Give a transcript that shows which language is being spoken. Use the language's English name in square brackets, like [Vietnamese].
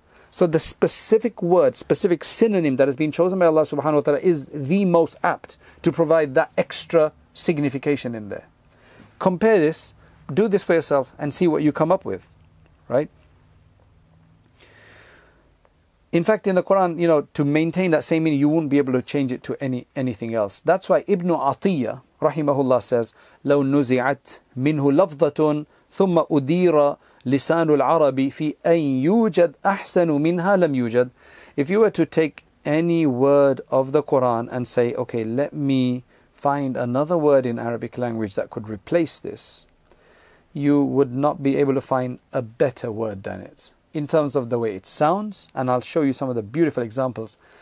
[English] So the specific word, specific synonym that has been chosen by Allah subhanahu wa ta'ala is the most apt to provide that extra signification in there. Compare this, do this for yourself and see what you come up with. Right. In fact, in the Quran, you know, to maintain that same meaning, you won't be able to change it to anything else. That's why Ibn Atiyyah, rahimahullah, says, [Arabic] لَوْ نُزِعَتْ مِنْهُ لَفْضَةٌ ثُمَّ أُدِيرَ لِسَانُ الْعَرَبِ فِي أَنْ يُوجَدْ أَحْسَنُ مِنْهَا لَمْ يُوجَدْ. [English] If you were to take any word of the Quran and say, okay, let me find another word in Arabic language that could replace this, you would not be able to find a better word than it in terms of the way it sounds. And I'll show you some of the beautiful examples.